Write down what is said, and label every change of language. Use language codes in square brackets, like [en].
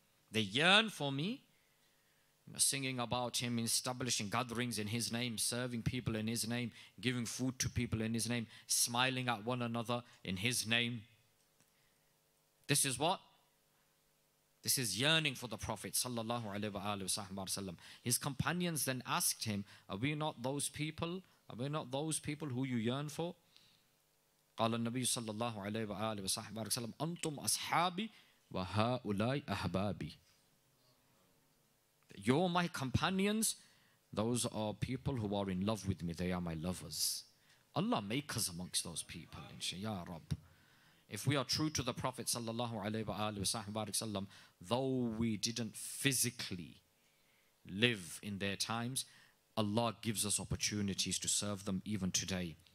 [en] They yearn for me, you know, singing about him, establishing gatherings in his name, serving people in his name, giving food to people in his name, smiling at one another in his name. This is what? This is yearning for the Prophet sallallahu alaihi wasallam. His companions then asked him, are we not those people? Are we not those people who you yearn for? [ar] قال النبي صلى الله عليه وآله وصحبه وسلم أنتم أصحابي وهؤلاء أحبابي. [en] You're my companions. Those are people who are in love with me. They are my lovers. Allah make us amongst those people. [ar] Ya Rab. [en] If we are true to the Prophet [ar] صلى الله عليه وآله وصحبه وسلم, [en] though we didn't physically live in their times, Allah gives us opportunities to serve them even today.